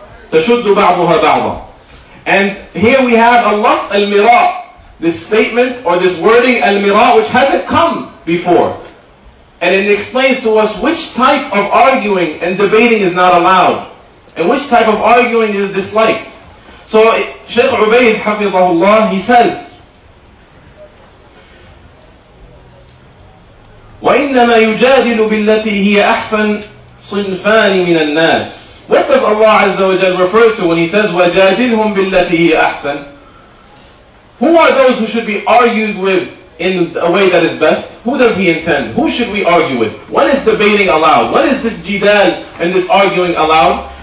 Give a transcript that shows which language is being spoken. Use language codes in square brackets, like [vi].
[ar] تَشُدُّ بَعْضُهَا بَعْضًا. [en] And here we have Allah al-Mira, this statement or this wording al-Mira, which hasn't come before. And it explains to us which type of arguing and debating is not allowed, and which type of arguing is disliked. So Shaykh Ubayd, hafidhahullah, he says, [ar] وَإِنَّمَا يُجَادِلُ بِالَّتِي هِيَ أَحْسَنْ صِنْفَانِ مِنَ النَّاسِ. [en] What does Allah Azza wa Jal refer to when He says, [ar] وَجَادِلْهُمْ بِالَّتِي هِيَ أَحْسَنْ. [en] Who are those who should be argued with in a way that is best? Who does He intend? Who should we argue with? When is debating allowed? When is this jidal and this arguing allowed?